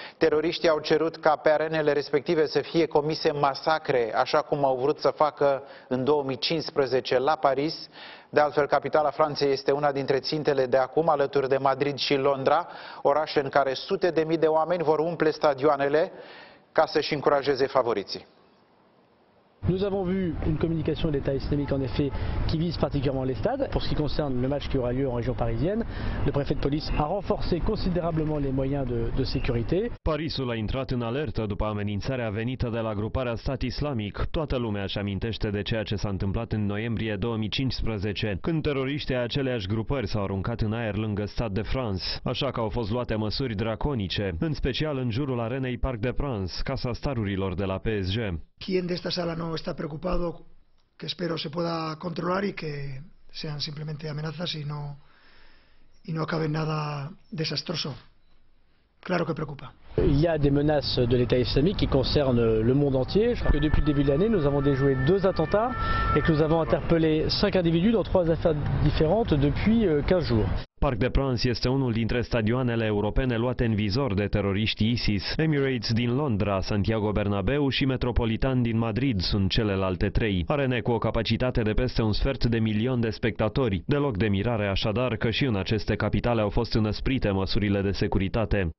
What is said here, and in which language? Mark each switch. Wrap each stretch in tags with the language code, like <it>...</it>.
<ro>Teroriștii au cerut ca pe arenele respective să fie comise masacre, așa cum au vrut să facă în 2015 la Paris. De altfel, capitala Franței este una dintre țintele de acum, alături de Madrid și Londra, orașe în care sute de mii de oameni vor umple stadioanele ca să-și încurajeze favoriții.</ro> <fr>Nous avons vu une communication de l'État islamique en effet qui vise particulièrement les stades. Pour ce qui concerne le match qui aura lieu en région parisienne, le préfet de police a renforcé considérablement les moyens de sécurité.</fr> <ro>Parisul a intrat în alertă după amenințarea venită de la gruparea Stat Islamic. Toată lumea își amintește de ceea ce s-a întâmplat în noiembrie 2015, când teroriștii aceleiași grupări s-au aruncat în aer lângă Stade de France, așa că au fost luate măsuri draconice, în special în jurul arenei Parc de Prince, casa starurilor de la PSG.</ro> <es>¿Quién de esta sala no está preocupado, que espero se pueda controlar y que sean simplemente amenazas y no acabe nada desastroso? Claro que preocupa.</es> <fr>Il y a des menaces de l'État islamique qui concernent le monde entier. Je crois que depuis le début de l'année, nous avons déjoué deux attentats et que nous avons interpellé cinq individus dans trois affaires différentes depuis 15 jours.</fr> <ro>Parc de Prince este unul dintre stadioanele europene luate în vizor de teroriștii ISIS. Emirates din Londra, Santiago Bernabeu și Metropolitan din Madrid sunt celelalte trei. Arene cu o capacitate de peste un sfert de milion de spectatori. Deloc de mirare așadar că și în aceste capitale au fost înăsprite măsurile de securitate.</ro>